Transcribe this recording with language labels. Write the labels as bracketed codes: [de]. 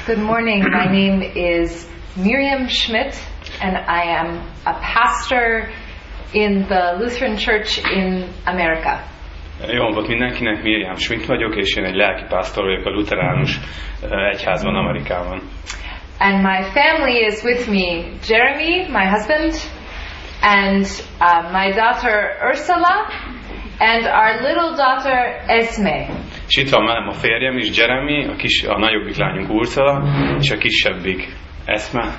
[en] Good morning, my name is Miriam Schmidt, and I am a pastor in the Lutheran Church in America. [hu] Jó napot mindenkinek, Miriam Schmidt vagyok, és én egy lelki pásztor vagyok a lutheránus egyházban, Amerikában. [en] And my family is with me, Jeremy, my husband, and my daughter Ursula, and our little daughter Esme. [hu] És itt van velem a férjem is, Jeremy, a nagyobbik lányunk Ursula, és a kisebbik Esme.